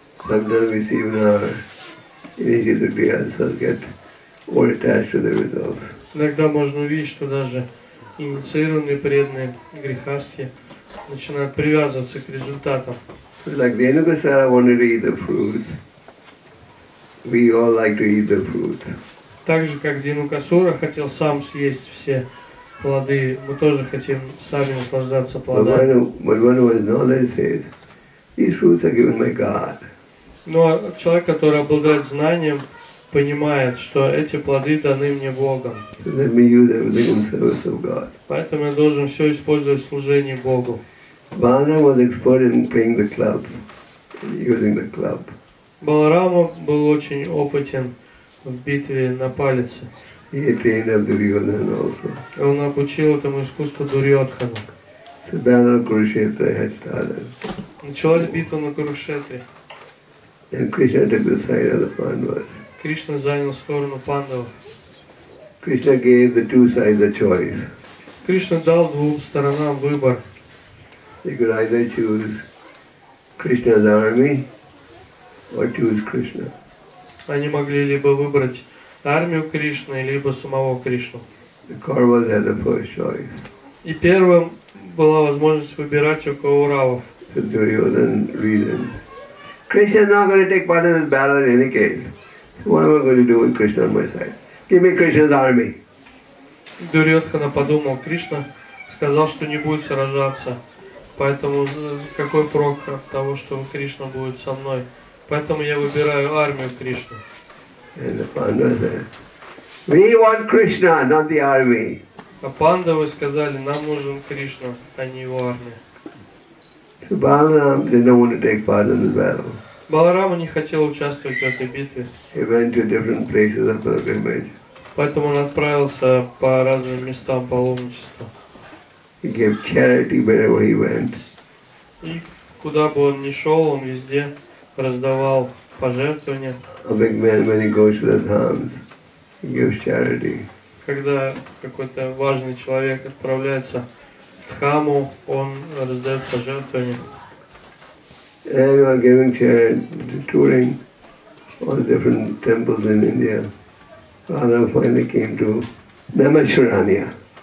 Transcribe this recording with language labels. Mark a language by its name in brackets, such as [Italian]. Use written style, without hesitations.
[English] Sometimes we see in our initiative rehearsals get all attached to the results. [Russian] Иногда можно увидеть, что даже инициированные преданные грехасхи начинают привязываться к результатам. [English] Like Venugasara wanted to eat the fruit, we all like to eat the fruit. [Russian] Так же, как Венукасура хотел сам съесть все плоды, мы тоже хотим сами наслаждаться плодами. Но человек, который обладает знанием, понимает, что эти плоды даны мне Богом. [English] Let me use everything in service of God. [Russian] Поэтому я должен все использовать в служении Богу. [English] Balaram was expert in playing the club, using the club. [Russian] Баларама был очень опытен в битве на палице. [English] He attained of Duryodhana also. [Russian] Он обучил этому искусству Дурьотхана. [English] The battle of Kurukshetra had started. [Russian] Началась битва на Курукшетре. [English] And Krishna took the side of the Pandavas. [Russian] Кришна занял сторону Пандавов. [English] Krishna gave the two sides a choice. [Russian] Кришна дал двум сторонам выбор. [English] They could either choose Krishna's army or choose Krishna. [Russian] Они могли либо выбрать армию Кришны, либо самого Кришну. [English] The Kauravas had the first choice. [Russian] И первым была возможность выбирать у Кауравов. [English] So Duryodhan reasoned. Krishna's not going to take part in this battle in any case. So what am I going to do with Krishna on my side? Give me Krishna's army. [Russian] Дурьотхана подумал, Кришна сказал, что не будет сражаться Поэтому какой прок от того, что Кришна будет со мной? Поэтому я выбираю армию Кришны. [English] We want Krishna, not the army. [Russian] А пандавы сказали, нам нужен Кришна, а не его армия. [English] So Balaram didn't want to take part in the battle. [Russian] Баларама не хотел участвовать в этой битве. [English] He went to different places of pilgrimage. [Russian] Поэтому он отправился по разным местам паломничества. [English] He gave charity wherever he went. [Russian] И куда бы он ни шел, он везде раздавал пожертвования. [English] A big man, when he goes to the dhams, he gives charity. [Russian] Когда какой-то важный человек отправляется в дхаму, он раздает пожертвования. [English] Everyone giving charity, touring all different temples in India. Balaram finally came to Namasharanya.